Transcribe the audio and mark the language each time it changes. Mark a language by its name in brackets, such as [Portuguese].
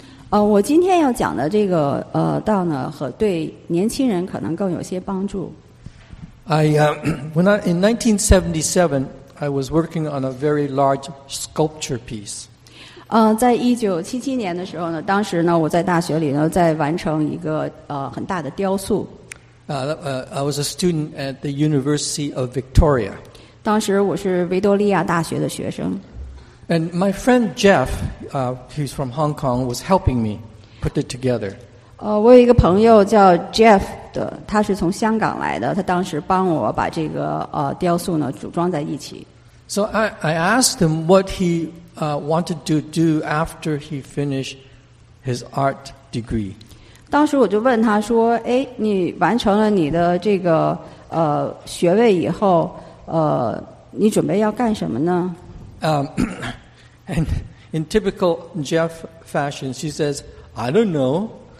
[Chinese] 我今天要讲的这个道呢，和对年轻人可能更有些帮助。 [English] In 1977, I was working on a very large sculpture piece. [Chinese] 在1977年的时候呢，当时呢，我在大学里呢，在完成一个很大的雕塑。 [English] I was a student at the University of Victoria. [Chinese] 当时我是维多利亚大学的学生。 [English] And my friend Jeff, he's from Hong Kong, was helping me put it together. [Chinese] 我有一个朋友叫 Jeff 的，他是从香港来的，他当时帮我把这个雕塑呢组装在一起。 [English] So I asked him what he wanted to do after he finished his art degree. [Chinese] 当时我就问他说，哎，你完成了你的这个学位以后，你准备要干什么呢？ [English] And in typical Jeff fashion, she says, "I don't know."